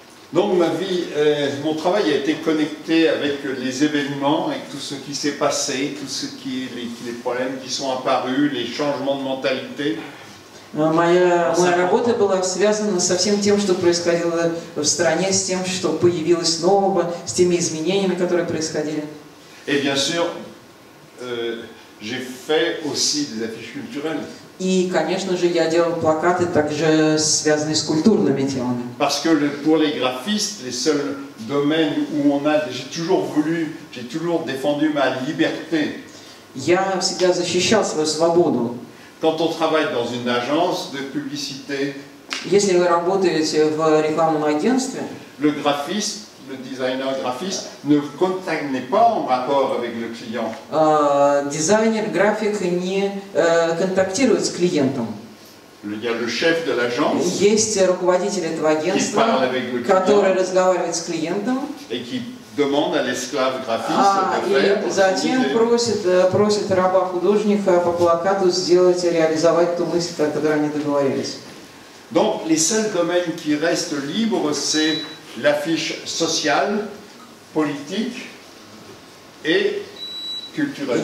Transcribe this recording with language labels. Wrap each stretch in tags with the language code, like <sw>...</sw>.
<fr>Donc, ma vie, mon travail a été connecté avec les événements, avec tout ce qui s'est passé, tous les problèmes qui sont apparus, les changements de mentalité.</fr> <ru>Моя работа была связана со всем тем, что происходило в стране, с тем, что появилось нового, с теми изменениями, которые происходили.</ru> <fr>Et bien sûr, j'ai fait aussi des affiches culturelles.</fr> <ru>И, конечно же, я делал плакаты, также связанные с культурными темами.</ru> <fr>Parce que pour les graphistes, les seuls domaines où on a, j'ai toujours défendu ma liberté.</fr> <ru>Я всегда защищал свою свободу.</ru> <fr>Quand on travaille dans une agence de publicité,</fr> <ru>если вы работаете в рекламном агентстве,</ru> <fr>le graphiste, le designer graphiste, ne contacte pas en rapport avec le client.</fr> <ru>Дизайнер, график не контактирует с клиентом.</ru> <fr>Il y a le chef de l'agence.</fr> <ru>Есть руководитель этого агентства,</ru> <fr>qui parle avec le client,</fr> <ru>который разговаривает с клиентом.</ru> <fr>Et qui demande à l'esclave graphiste de faire.</fr> <ru>Затем просит раба художника по плакату сделать и реализовать ту мысль, которую они договорились.</ru> <fr>Donc les seuls domaines qui restent libres, c'est l'affiche sociale, politique et culturelle.</fr>